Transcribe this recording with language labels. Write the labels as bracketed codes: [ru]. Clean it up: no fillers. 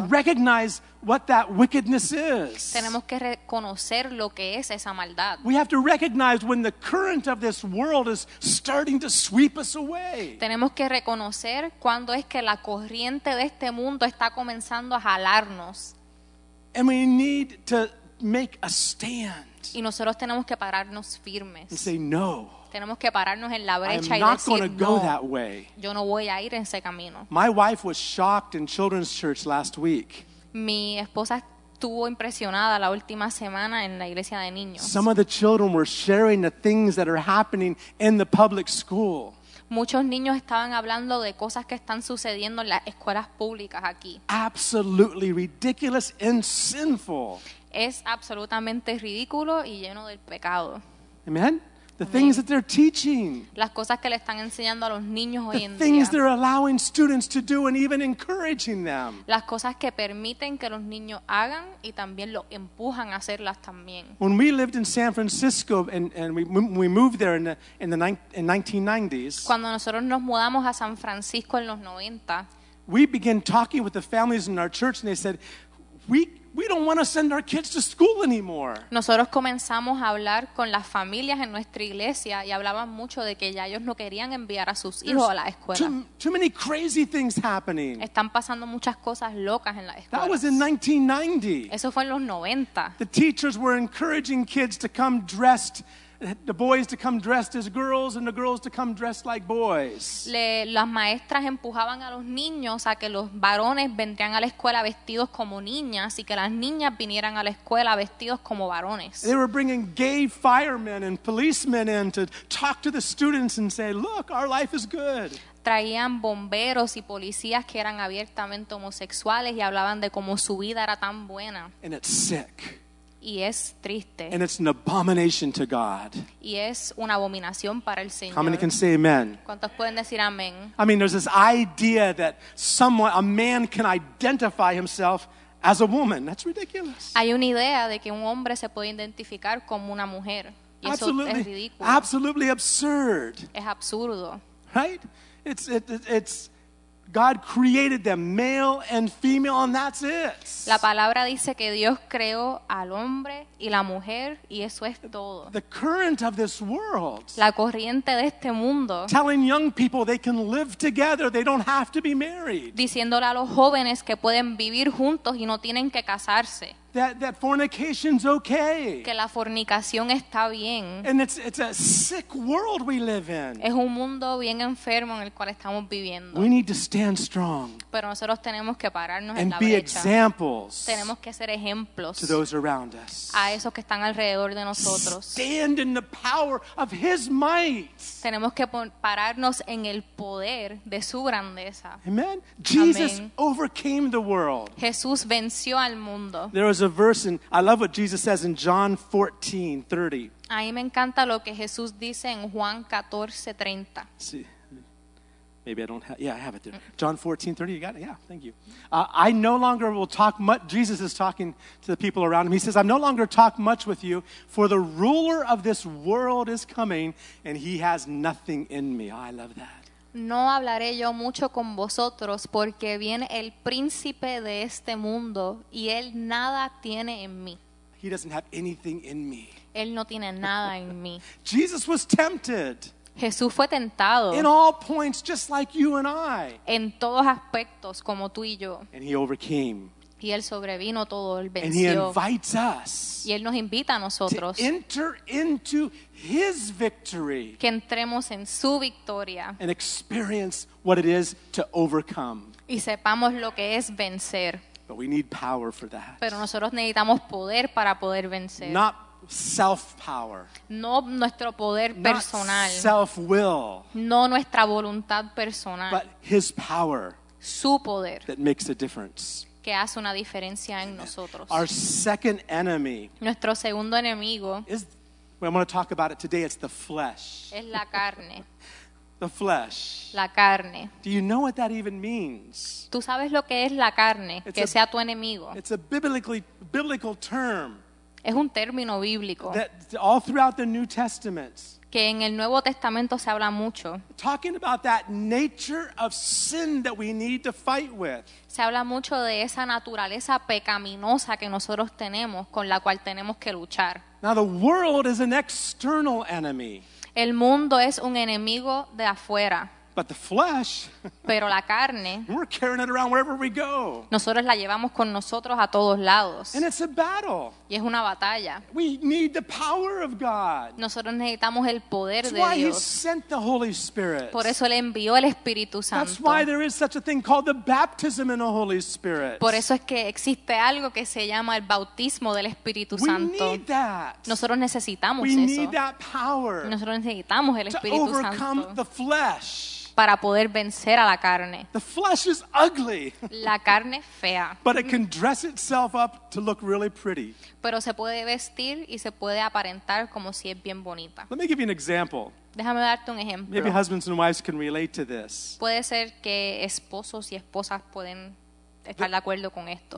[en] Have to recognize what that wickedness is. [es] Tenemos que reconocer lo que es esa maldad. [en] We have to recognize when the current of this world is starting to sweep us away. [es] Tenemos que reconocer cuando es que la corriente de este mundo está comenzando a jalarnos. [en] And we need to make a stand. [es] Y nosotros tenemos que pararnos firmes. [en] And say, no. [es] Tenemos que pararnos en la brecha y decir, [en] no. I'm not going to go that way. [es] Yo no voy a ir en ese camino. [en] My wife was shocked in children's church last week. [es] Mi esposa estuvo impresionada la última semana en la iglesia de niños. [en] Some of the children were sharing the things that are happening in the public school. [es] Muchos niños estaban hablando de cosas que están sucediendo en las escuelas públicas aquí. [en] Absolutely ridiculous and sinful. [es] Es absolutamente ridículo y lleno del pecado. [en] Amen. The things that they're teaching. [es] Las cosas que le están enseñando a los niños hoy en día. [en] The things they're allowing students to do and even encouraging them. [es] Las cosas que permiten que los niños hagan y también los empujan a hacerlas también. [en] When we lived in San Francisco and we moved there in the 1990s. [es] Cuando nosotros nos mudamos a San Francisco en los 90. [en] We began talking with the families in our church and they said, We don't want to send our kids to school anymore. [es] Nosotros comenzamos a hablar con las familias en nuestra iglesia y hablaban mucho de que ya ellos no querían enviar a sus hijos a la escuela. [en] Too many crazy things happening. [es] Están pasando muchas cosas locas en la escuela. [en] That was in 1990. [es] Eso fue en los 90. [en] The teachers were encouraging kids to come dressed, the boys to come dressed as girls and the girls to come dressed like boys. [es] Las maestras empujaban a los niños a que los varones vendrían a la escuela vestidos como niñas y que las niñas vinieran a la escuela vestidos como varones. [en] They were bringing gay firemen and policemen in to talk to the students and say, look, our life is good. [es] Traían bomberos y policías que eran abiertamente homosexuales y hablaban de cómo su vida era tan buena. [en] And it's sick. [es] Y es triste. [en] And it's an abomination to God. [es] Y es una abominación para el Señor. [en] How many can say amen? [es] ¿Cuántos pueden decir amén? [en] I mean, there's this idea that someone, a man can identify himself as a woman. That's ridiculous. [es] Hay una idea de que un hombre se puede identificar como una mujer. Y [en] absolutely, [es] eso es ridículo. [en] Absolutely absurd. [es] Es absurdo. [en] Right? It's God created them male and female, and that's it. [es] La palabra dice que Dios creó al hombre y la mujer, y eso es todo. [en] The current of this world. [es] La corriente de este mundo. [en] Telling young people they can live together, they don't have to be married. [es] Diciéndole a los jóvenes que pueden vivir juntos y no tienen que casarse. [en] That fornication's okay. [es] Que la fornicación está bien. [en] And it's a sick world we live in. [es] Es un mundo bien enfermo en el cual estamos viviendo. [en] We need to stand strong. [es] Pero nosotros tenemos que pararnos en la brecha. [en] And be examples. [es] Tenemos que ser ejemplos. [en] To those around us. [es] A esos que están alrededor de nosotros. [en] Stand in the power of His might. [es] Tenemos que pararnos en el poder de su grandeza. [en] Amen. Jesus overcame the world. [es] Jesús venció al mundo. [en] There was a verse in, I love what Jesus says in John 14, 30. [es] A mí me encanta lo que Jesús dice en Juan 14, 30. Sí. [en] Maybe I don't have, yeah, I have it there. John 14, 30, you got it? Yeah, thank you. I no longer will talk much, Jesus is talking to the people around him. He says, I no longer talk much with you, for the ruler of this world is coming, and he has nothing in me. Oh, I love that. [es] No hablaré yo mucho con vosotros porque viene el príncipe de este mundo y él nada tiene en mí. [en] He doesn't have anything in me. [es] Él no tiene nada en mí. [en] Jesus was tempted. [es] Jesús fue tentado. [en] In all points, just like you and I. [es] En todos aspectos, como tú y yo. [en] And he overcame. [es] Y él sobrevino todo, él venció. [en] And he invites us. [es] Y él nos invita a nosotros. [en] To enter into his victory. [es] Que entremos en su victoria. [en] And experience what it is to overcome. [es] Y sepamos lo que es vencer. [en] But we need power for that. [es] Pero nosotros necesitamos poder para poder vencer. [en] Not self-power. [es] No nuestro poder personal. [en] Not self-will. [es] No nuestra voluntad personal. [en] But his power. [es] Su poder. [en] That makes a difference. [es] Que hace una diferencia en nosotros. [en] Our second enemy. [es] Nuestro segundo enemigo. [en] Is, well, I'm going to talk about it today. It's the flesh. [es] Es la carne. [en] The flesh. [es] La carne. [en] Do you know what that even means? [es] ¿Tú sabes lo que es la carne? Que sea tu enemigo. [en] It's a biblical term. [es] Es un término bíblico. [en] That all throughout the New Testament. [es] Que en el Nuevo Testamento se habla mucho. [en] Talking about that nature of sin that we need to fight with. [es] Se habla mucho de esa naturaleza pecaminosa que nosotros tenemos, con la cual tenemos que luchar. [en] Now the world is an external enemy. [es] El mundo es un enemigo de afuera. [en] But the flesh. [es] Pero la carne. [en] We're carrying it around wherever we go. [es] Nosotros la llevamos con nosotros a todos lados. [en] And it's a battle. [es] Y es una batalla. [en] We need the power of God. [es] Nosotros necesitamos el poder [en] That's [es] de [en] why [es] Dios. [en] He sent the Holy Spirit. [es] Por eso le envió el Espíritu Santo. [en] That's why there is such a thing called the baptism in the Holy Spirit. [es] Por eso es que existe algo que se llama el bautismo del Espíritu Santo. [en] We need that. [es] Nosotros necesitamos [en] we [es] eso. [en] We need that power. [es] Nosotros necesitamos el Espíritu [en] to overcome [es] Santo. [en] Overcome the flesh. [es] Para poder vencer a la carne. [en] The flesh is ugly. [es] La carne fea. [en] But it can dress itself up to look really pretty. [es] Pero se puede vestir y se puede aparentar como si es bien bonita. [en] Let me give you an example. [es] Déjame darte un ejemplo. [en] Maybe husbands and wives can relate to this. [es] Puede ser que esposos y esposas pueden estar de acuerdo con esto.